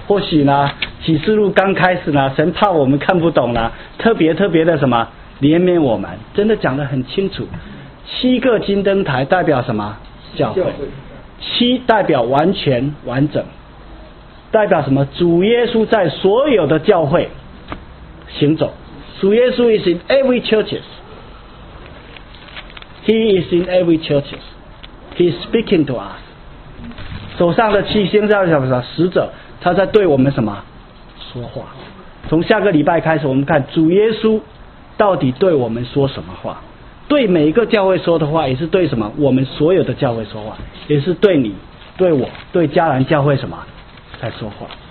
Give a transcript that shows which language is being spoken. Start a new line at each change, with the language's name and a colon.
Chinese: 或许呢启示录刚开始呢，神怕我们看不懂呢，特别特别的什么怜悯我们，真的讲得很清楚。七个金灯台代表什么？教会。七代表完全完整，代表什么？主耶稣在所有的教会行走。
English: 主耶稣 is in every churches， He is in every churches， He is speaking to us。
Chinese: 手上的七星代表什么？使者，他在对我们什么说话。从下个礼拜开始，我们看主耶稣到底对我们说什么话，对每一个教会说的话，也是对什么我们所有的教会说话，也是对你、对我、对迦南教会什么在说话。